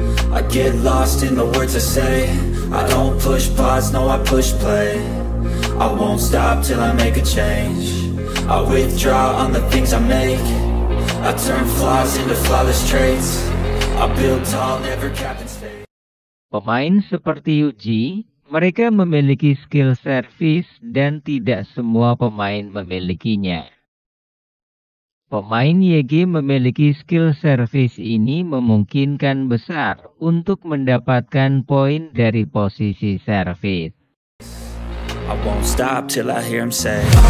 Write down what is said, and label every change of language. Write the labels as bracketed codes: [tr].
[en] I get lost in the words I say. I don't push pause, no, I push play. I won't stop till I make a change. I withdraw on the things I make. I turn flaws into flawless traits. I build tall, never cap in space. [id] Pemain seperti Yuji, mereka memiliki skill service dan tidak semua pemain memilikinya. Pemain YG memiliki skill service ini memungkinkan besar untuk mendapatkan poin dari posisi service. [en] I won't stop till I hear him say.